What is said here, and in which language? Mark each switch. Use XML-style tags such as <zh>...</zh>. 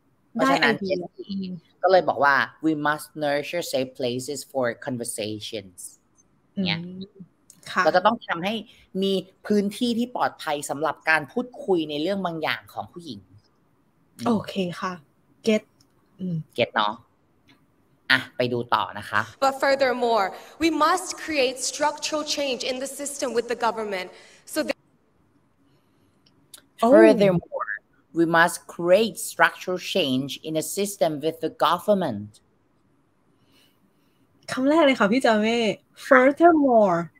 <th>เพราะฉะนั้นก็เลยบอกว่า</th> <en>we must nurture safe places for conversations</en> <th>เนี่ย ค่ะ เราจะต้องทำให้มีพื้นที่ที่ปลอดภัยสำหรับการพูดคุยในเรื่องบางอย่างของผู้หญิง โอเคค่ะ get get เนาะอ่ะไปดูต่อนะคะ</th> <en>But furthermore we must create structural change in the system with the government so that... furthermore we must create structural change in a system with the government</en> <th>คำแรกเลยค่ะพี่จาเม่ furthermore</th>